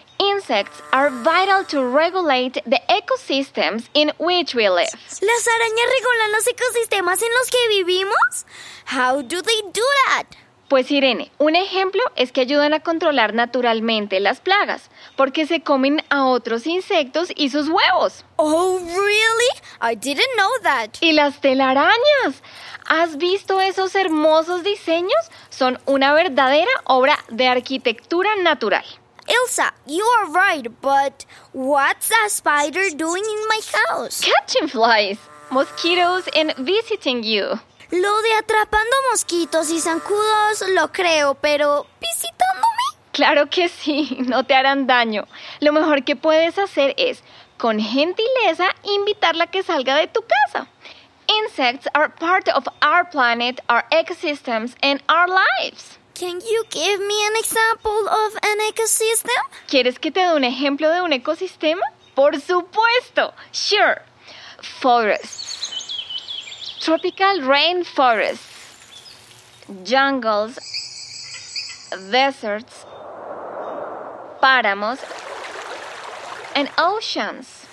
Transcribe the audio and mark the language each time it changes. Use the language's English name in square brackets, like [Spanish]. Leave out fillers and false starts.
[English] Insects are vital to regulate the ecosystems in which we live. [Spanish] ¿Las arañas regulan los ecosistemas en los que vivimos? [English] How do they do that? [Spanish] Pues Irene, un ejemplo es que ayudan a controlar naturalmente las plagas, porque se comen a otros insectos y sus huevos. [English] Oh, really? I didn't know that. [Spanish] ¿Y las telarañas? ¿Has visto esos hermosos diseños? Son una verdadera obra de arquitectura natural. [English] Elsa, you are right, but what's a spider doing in my house? Catching flies, mosquitoes, and visiting you. [Spanish] Lo de atrapando mosquitos y zancudos lo creo, pero ¿visitándome? Claro que sí, no te harán daño. Lo mejor que puedes hacer es, con gentileza, invitarla a que salga de tu casa. [English] Insects are part of our planet, our ecosystems, and our lives. Can you give me an example of an ecosystem? [Spanish] ¿Quieres que te dé un ejemplo de un ecosistema? ¡Por supuesto! [English] Sure. Forests. Tropical rainforests. Jungles. Deserts. Páramos. And oceans.